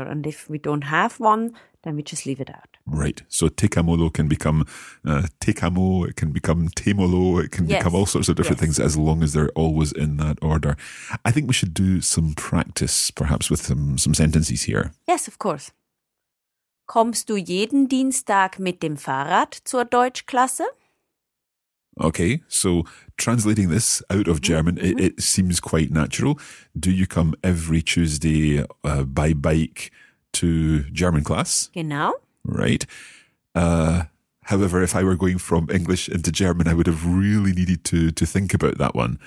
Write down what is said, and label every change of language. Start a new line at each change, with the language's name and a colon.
English: And if we don't have one, then we just leave it out. Right. So tekamolo can become tekamo, it can become temolo, it can become all sorts of different things as long as they're always in that order. I think we should do some practice, perhaps with some sentences here. Yes, of course.
German: Kommst du jeden Dienstag mit dem Fahrrad zur Deutschklasse?
English: Okay, so translating this out of German, it seems quite natural. Do you come every Tuesday by bike to German class?
German: Genau.
English: Right. However, if I were going from English into German, I would have really needed to think about that one.